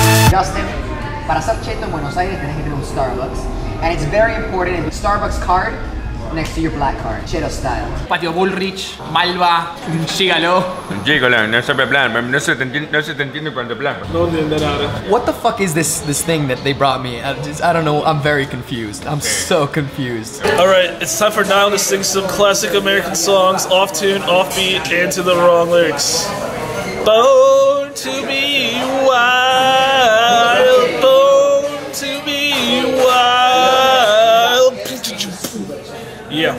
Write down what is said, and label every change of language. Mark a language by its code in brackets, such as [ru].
[es] Justin, para ser cheto en Buenos Aires tenés que tener un Starbucks. [en] And it's very important, it's Starbucks card next to your black card, cheto style. [es] Patio Bullrich, Malva, Gigolo. Gigolo, no sabe hablar, no se te entiende cuando habla. No entiende nada. [en] What the fuck is this thing that they brought me? I don't know, I'm very confused. I'm so confused. Alright, it's time for Nihill to sing some classic American songs, off tune, off beat, and to the wrong lyrics. Born to be wild, born to be wild. Yeah.